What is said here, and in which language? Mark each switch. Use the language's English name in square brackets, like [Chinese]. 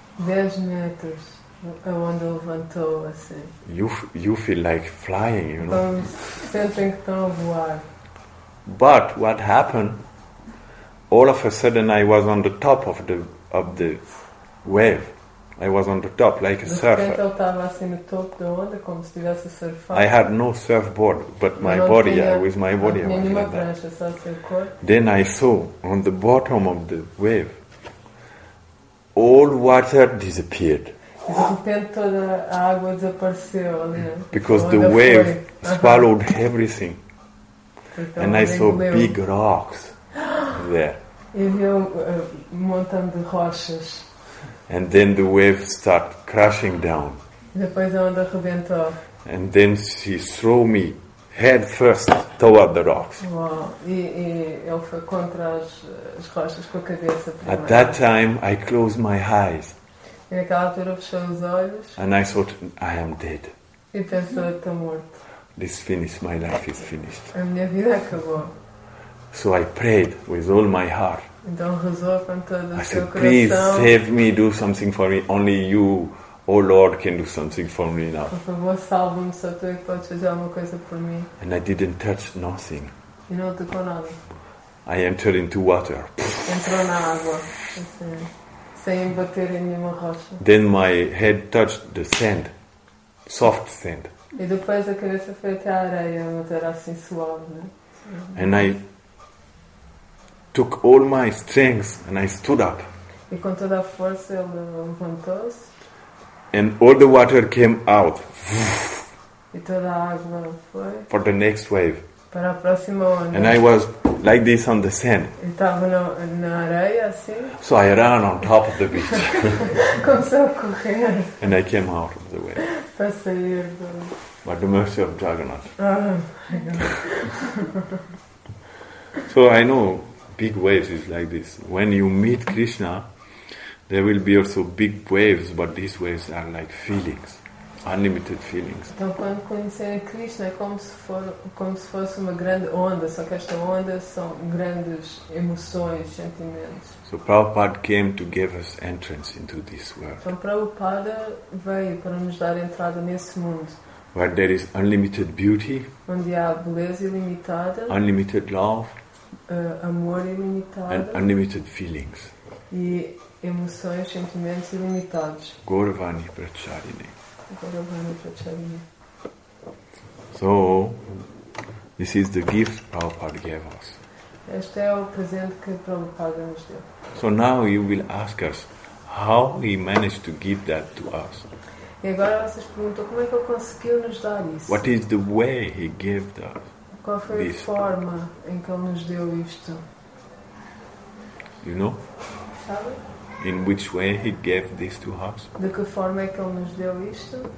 [English] 10 meters. [Portuguese] A onda levantou assim. [English] You feel like flying, you know. [Portuguese] Sentem que estão a voar. [English] But what happened? All of a sudden, I was on the top of the wave. I was on the top, like a surfer. [Portuguese] De repente, eu estava assim no topo da onda, como se estivesse a surfar. [English] I had no surfboard, but my body, with my body, I was like that. [Portuguese] Prancha, só seu corpo. [English] Then I saw on the bottom of the wave, all water disappeared. [Portuguese] De repente toda a água desapareceu ali. [English] Because the wave swallowed everything. And I saw big rocks there. [Portuguese] E vi um montão de rochas. [English] And then the wave started crashing down. [Portuguese] Depois a onda rebentou. [English] And then she threw me head first toward the rocks. [Portuguese] E ele foi contra as rochas com a cabeça primeiro. [English] At that time I closed my eyes. [Portuguese] E naquela altura fechou os olhos. [English] And I thought, I am dead. [Portuguese] E pensou, estou morto. [English] This finished, my life is finished. [Portuguese] A minha vida acabou. [English] So I prayed with all my heart. [Portuguese] Então rezou com todo o seu coração. [English] Please save me, do something for me. Only you, oh Lord, can do something for me now. [Portuguese] Por favor, salva-me, só tu é que podes fazer alguma coisa por mim. [English] And I didn't touch nothing. [Portuguese] E não tocou nada. [English] I entered into water. [Portuguese] Entrou na água. Assim. Sem bater em nenhuma rocha. [English] Then my head touched the sand, soft sand. [Portuguese] E depois a cabeça foi até a areia, mas era assim suave, né? [English] And I took all my strength and I stood up. [Portuguese] E com toda a força ele levantou-se. [English] And all the water came out. [Portuguese] E toda a água foi. [English] For the next wave. [Portuguese] Para a próxima onda. [English] And I was like this on the sand. [Portuguese] Eu estava na areia, assim. [English] So I ran on top of the beach. [Portuguese] Começou a correr. [English] And I came out of the way. [Portuguese] Para sair do... [English] By the mercy of Jagannath. Oh, my God. So I know big waves. It's like this. When you meet Krishna, there will be also big waves, but these waves are like feelings, unlimited feelings. [Portuguese] Então, quando conhecer Krishna, é como se fosse uma grande onda, só que esta onda são grandes emoções, sentimentos. [English] So Prabhupada came to give us entrance into this world. [Portuguese] Então, Prabhupada veio para nos dar entrada nesse mundo. [English] Where there is unlimited beauty, [Portuguese] onde há beleza ilimitada, [English] unlimited love, [Portuguese] amor ilimitado, [English] and unlimited feelings. [Portuguese] E emoções, sentimentos ilimitados. [Sanskrit] Gauravani Pracharini. Gauravani Pracharini. [English] So, this is the gift Prabhupada gave us. [Portuguese] Este é o presente que Prabhupada nos deu. [English] So now you will ask us how he managed to give that to us. [Portuguese] E agora vocês perguntam como é que ele conseguiu nos dar isso. [English] What is the way he gave that? [Portuguese] Qual foi a forma em que ele nos deu isto? [English] You know? [Portuguese] Sabe? [English] In which way he gave this to us? [Portuguese] De que forma é que ele nos deu isto?